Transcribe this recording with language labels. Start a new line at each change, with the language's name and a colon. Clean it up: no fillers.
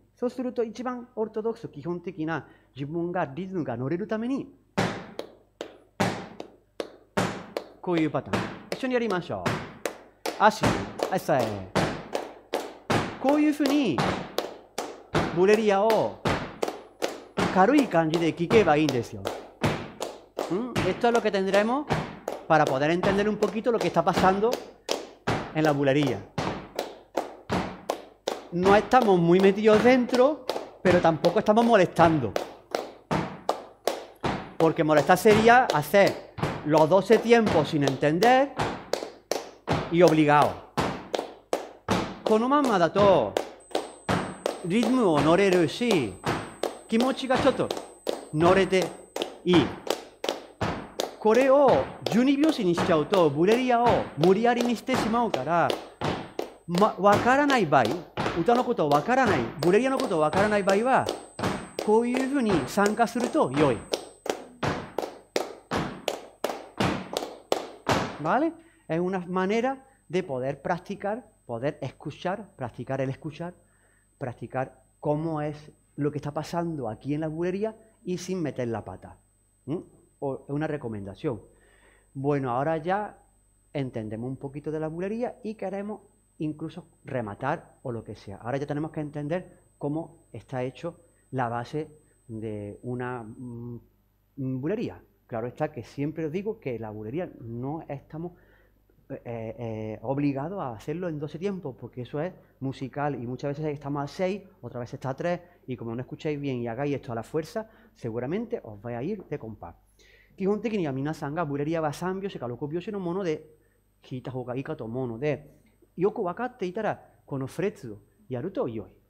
Japanese: そうすると、一番オルトドックス、基本的な自分がリズムが乗れるために、こういうパターン。一緒にやりましょう。足、はい、さえ。こういうふうに、ブレリアを軽い感じで聞けばいいんですよ。ん？
Spanish: Esto es lo que tendremos para poder entender un poquito lo que está pasando en la bulería. No estamos muy metidos dentro, pero tampoco estamos molestando. Porque molestar sería hacer los 12 tiempos sin entender. Y obligado.
Japanese: このままだとリズムを乗れるし気持ちがちょっと乗れていい。これを12拍子にしちゃうとブレリアを無理やりにしてしまうから、ま、分からない場合歌のこと分からないブレリアのこと分からない場合はこういうふうに参加すると良い。
Spanish: Vale? Es una manera de poder practicar, poder escuchar, practicar el escuchar, practicar cómo es lo que está pasando aquí en la bulería y sin meter la pata. ¿Mm? O es una recomendación. Bueno, ahora ya entendemos un poquito de la bulería y queremos incluso rematar o lo que sea. Ahora ya tenemos que entender cómo está hecho la base de una bulería. Claro está que siempre os digo que la bulería no estamosobligado a hacerlo en 12 tiempos porque eso es musical y muchas veces estamos a 6, otra vez está a 3 y como no escucháis bien y hagáis esto a la fuerza seguramente os vais a ir de compás
Japanese: 基本的には皆さんがブレリアは3拍子か6拍子のもので弾いた方がいいかと思うのでよく分かっていたらこのフレッツをやると良い